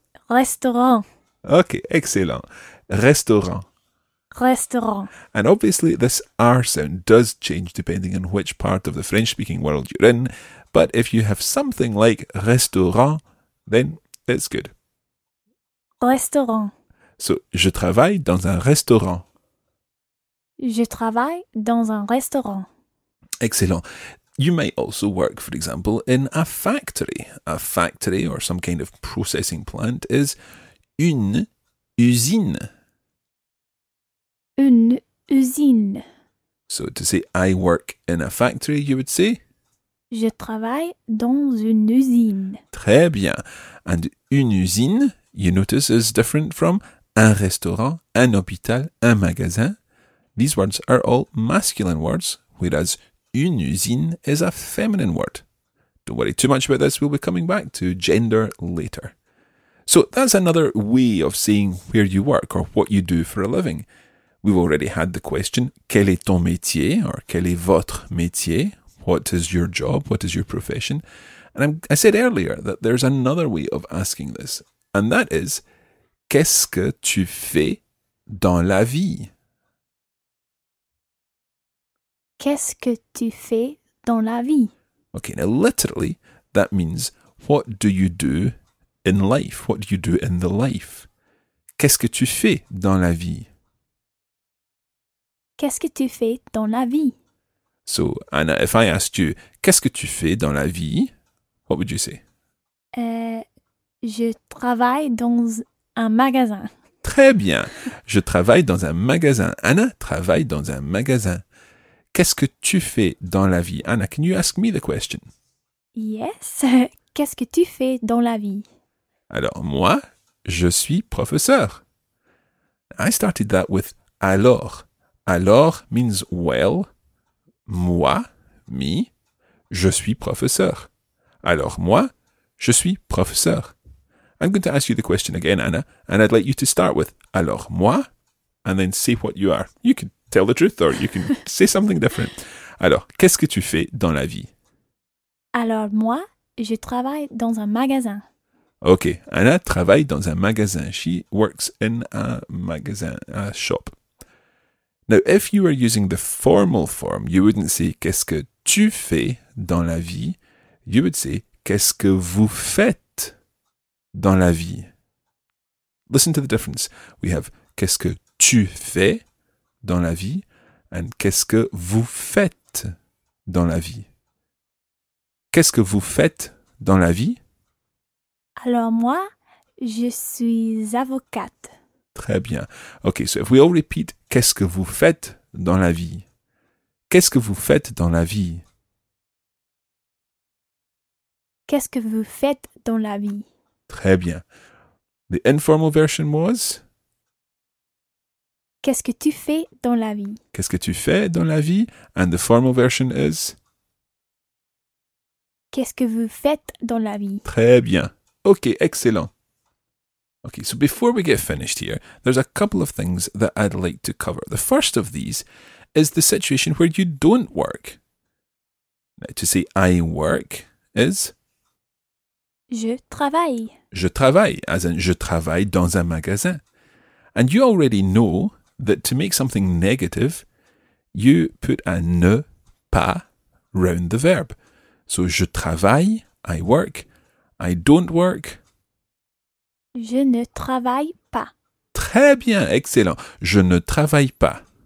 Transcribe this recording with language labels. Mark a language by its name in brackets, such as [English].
[French] Restaurant. [English] Okay, excellent. Restaurant. [French] Restaurant. [English] And obviously this R sound does change depending on which part of the French-speaking world you're in, but if you have something like restaurant, then it's good. [French] Restaurant. So, je travaille dans un restaurant. Je travaille dans un restaurant. [English] Excellent. You may also work, for example, in a factory. A factory or some kind of processing plant is une usine. [French] Une usine. [English] So to say I work in a factory, you would say? [French] Je travaille dans une usine. Très bien. [English] And une usine, you notice, is different from un restaurant, un hôpital, un magasin. These words are all masculine words, whereas une usine is a feminine word. Don't worry too much about this, we'll be coming back to gender later. So that's another way of saying where you work or what you do for a living. We've already had the question, [French] quel est ton métier, or quel est votre métier, [English] what is your job, what is your profession? And I said earlier that there's another way of asking this, and that is, [French] qu'est-ce que tu fais dans la vie? Qu'est-ce que tu fais dans la vie? [English] Okay, now literally, that means, what do you do in life? What do you do in the life? [French] Qu'est-ce que tu fais dans la vie? Qu'est-ce que tu fais dans la vie? [English] So, Anna, if I asked you, [French] qu'est-ce que tu fais dans la vie? [English] What would you say? [French] Je travaille dans un magasin. Très bien. Je travaille dans un magasin. Anna travaille dans un magasin. Qu'est-ce que tu fais dans la vie? [English] Anna, can you ask me the question? Yes. [French] Qu'est-ce que tu fais dans la vie? Alors, moi, je suis professeur. [English] I started that with alors. Alors means well. [French] Moi, me, je suis professeur. Alors, moi, je suis professeur. [English] I'm going to ask you the question again, Anna, and I'd like you to start with [French] alors, moi, [English] and then say what you are. You can tell the truth, or you can say something different. [French] Alors, qu'est-ce que tu fais dans la vie? Alors, moi, je travaille dans un magasin. Okay, Anna travaille dans un magasin. [English] She works in a magasin, a shop. Now, if you were using the formal form, you wouldn't say, [French] qu'est-ce que tu fais dans la vie? [English] You would say, [French] qu'est-ce que vous faites dans la vie? [English] Listen to the difference. We have, [French] qu'est-ce que tu fais dans la vie, and qu'est-ce que vous faites dans la vie? Qu'est-ce que vous faites dans la vie? Alors moi, je suis avocate. Très bien. [English] Okay, so if we all repeat, [French] qu'est-ce que vous faites dans la vie? Qu'est-ce que vous faites dans la vie? Qu'est-ce que vous faites dans la vie? Très bien. [English] The informal version was? [French] Qu'est-ce que tu fais dans la vie? Qu'est-ce que tu fais dans la vie? [English] And the formal version is? [French] Qu'est-ce que vous faites dans la vie? Très bien. [English] Okay, excellent. Okay, so before we get finished here, there's a couple of things that I'd like to cover. The first of these is the situation where you don't work. Now, to say I work is? [French] Je travaille. Je travaille, [English] as in [French] je travaille dans un magasin. [English] And you already know that to make something negative, you put a ne pas round the verb. So [French] je travaille, [English] I work, I don't work. [French] Je ne travaille pas. Très bien, excellent. Je ne travaille pas.